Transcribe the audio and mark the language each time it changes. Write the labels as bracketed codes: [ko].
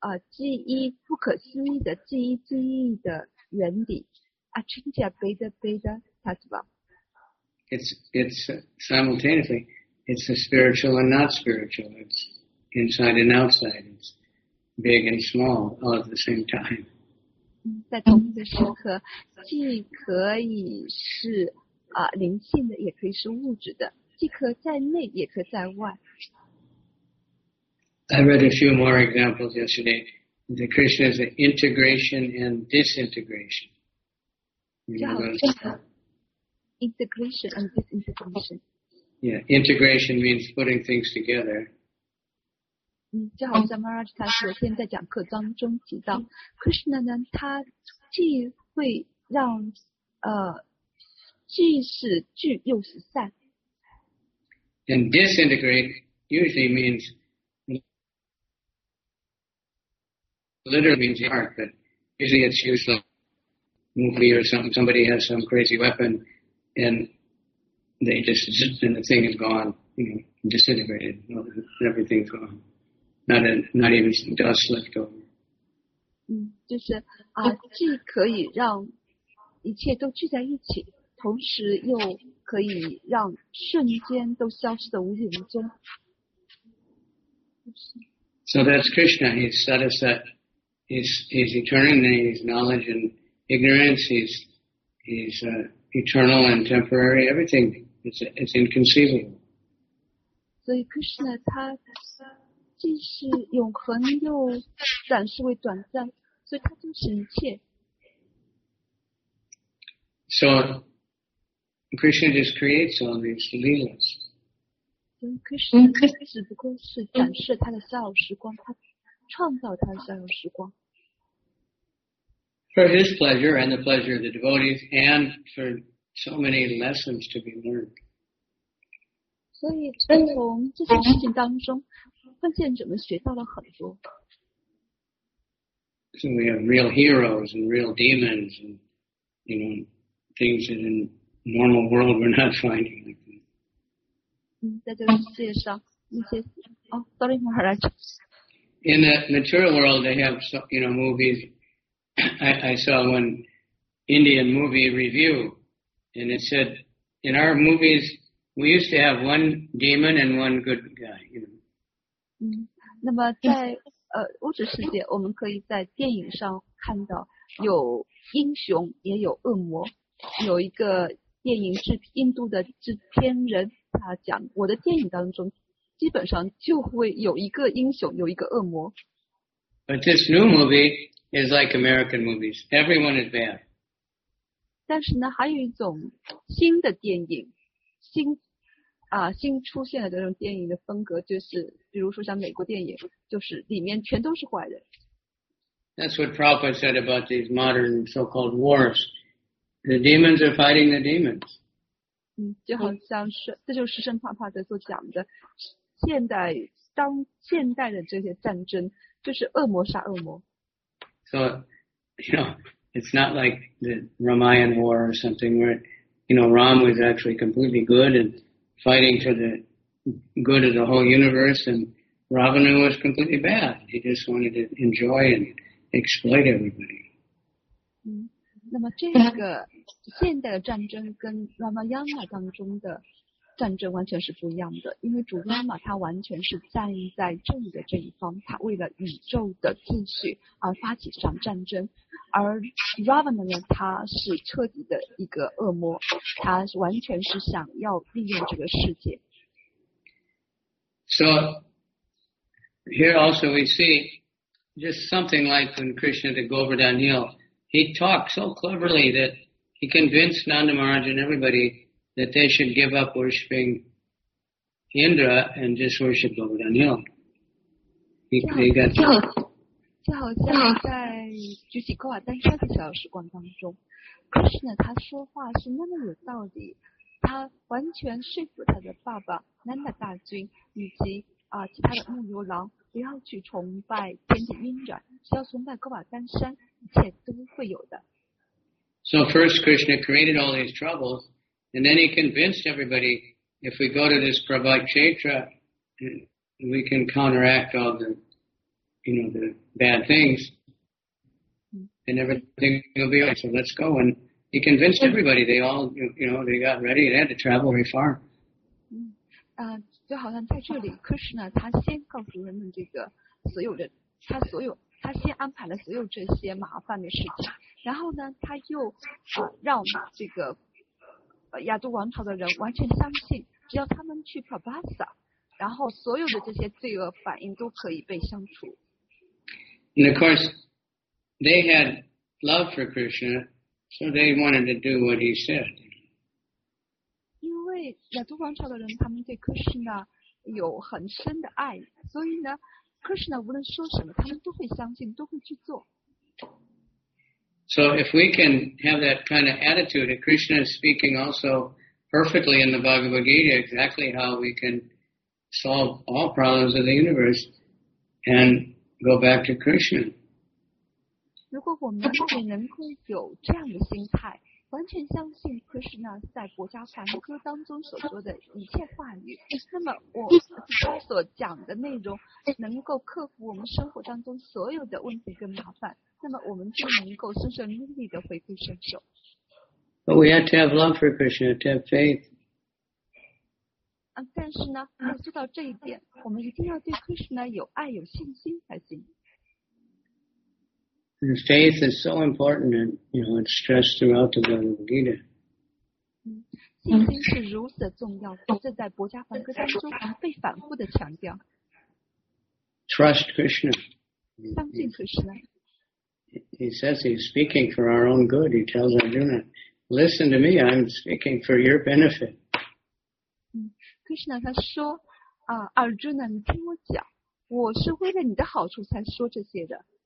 [zh] 记忆不可思议的记忆记忆的原理 Achincha Veda Veda Tattva [en] It's simultaneously It's the spiritual and not spiritual It's inside and outside It's big and small All at the same time [zh] 在同一个时刻既可以是灵性的也可以是物质的既可在内也可在外 [en] I read a few more examples yesterday. The Krishna is an integration and disintegration. Integration and disintegration. Yeah, integration means putting things together. [zh] 就好像 Maharaj 他昨天在讲课当中提到 ，Krishna 呢，他既会让既是聚又是散。 [en] And disintegrate usually means. Literally means the heart, but usually it's used like a movie or something. Somebody has some crazy weapon and they just, and the thing is gone, you know, disintegrated. Everything's gone. Not even some dust left over. [zh] 就是既可以让一切都聚在一起，同时又可以让瞬间都消失得无影无踪。 [en] So that's Krishna. He's set us at He's eternal, and he's knowledge and ignorance. He's He's eternal and temporary. Everything is inconceivable. [zh] 所以 Krishna 他既是永恒又暂时为短暂，所以他就是一切。 [en] So Krishna just creates all these leelas. [zh] Krishna 只不过是展示他的逍遥时光，他创造他的逍遥时光。 [en] For his pleasure and the pleasure of the devotees, and for so many lessons to be learned. [zh] 所以从这件事情当中，奉献者们学到了很多。 [en] So we have real heroes and real demons, and you know things that in normal world we're not finding. [zh] 嗯，在这个世界上一些哦 ， [en] sorry, [zh] Maharaj. [en] In the material world, they have you know movies. I saw one Indian movie review, and it said, in our movies, we used to have one demon and one good guy. You know. [zh] 嗯，那么在物质世界，我们可以在电影上看到有英雄，也有恶魔。有一个电影制印度的制片人，他讲我的电影当中，基本上就会有一个英雄，有一个恶魔。 [en] But this new movie. Is like American movies. Everyone is bad. [zh] 但是呢，还有一种新的电影，新出现的这种电影的风格，就是比如说像美国电影，就是里面全都是坏人。 [en] That's what Prabhupada said about these modern so-called wars. The demons are fighting the demons. [zh] 嗯，就好像是，这就是圣帕帕德所讲的，现代的这些战争，就是恶魔杀恶魔。 [en] So, you know, it's not like the Ramayan War or something where, you know, Ram was actually completely good and fighting for the good of the whole universe, and Ravana was completely bad. He just wanted to enjoy and exploit everybody. [zh] 嗯，那么这个现代的战争跟 Ramayana 当中的战争完全是不一样的，因为主 Rama 他完全是站在正义的这一方，他为了宇宙的秩序而发起这场战争，而 Ravana 呢，他是彻底的一个恶魔，他完全是想要利用这个世界。 [en] So here also we see just something like when Krishna the Govardhan Hill, he talked so cleverly that he convinced Nanda Maharaj and everybody. That they should give up worshiping Indra and just worship Govardhan Hill. He got. [zh] 就好像在举起高瓦丹山的小时光当中 ，Krishna 他说话是那么有道理，他完全说服他的爸爸 Nanda 大君以及其他的牧牛郎不要去崇拜天帝 Indra， 只要崇拜高瓦丹山，一切都会有的。 [en] So first, Krishna created all these troubles. And then he convinced everybody, if we go to this Prabhakshetra, we can counteract all the, you know, the bad things. And everything will be right, so let's go. And he convinced everybody, they all, you know, they got ready, they had to travel very far. [zh] 就好像在这里 ,Krishna, 他先告诉人们这个所有的他所有他先安排了所有这些麻烦的事情。然后呢他又让这个亚都王朝的人完全相信，只要他们去 Prabhasa， 然后所有的这些罪恶反应都可以被消除。 [en] And of course, they had love for Krishna, so they wanted to do what he said. [zh] 因为亚都王朝的人他们对 Krishna 有很深的爱，所以呢 ，Krishna 无论说什么，他们都会相信，都会去做。 [en] So if we can have that kind of attitude, and Krishna is speaking also perfectly in the Bhagavad Gita, exactly how we can solve all problems of the universe and go back to Krishna. [zh] 如果我们也能够有这样的心态，完全相信 Krishna 在《薄伽梵歌》当中所说的一切话语，那么我所讲的内容能够克服我们生活当中所有的问题跟麻烦。那么我们就能够顺顺利利的回归圣手。 [en] But we have to have love for Krishna, to have faith. [zh] 但是呢，要做到这一点，我们一定要对 Krishna 有爱、有信心才行。 [en] And faith is so important, and you know, it's stressed throughout the Bhagavad Gita. [zh] 信心是如此的重要，但是在《博伽梵歌》当中被反复的强调。 [en] Trust Krishna. [zh] 相信 Krishna. [en] He says he's speaking for our own good. He tells Arjuna, "Listen to me. I'm speaking for your benefit." [zh] Krishna 他说啊，Arjuna， 你听我讲，我是为了你的好处才说这些的。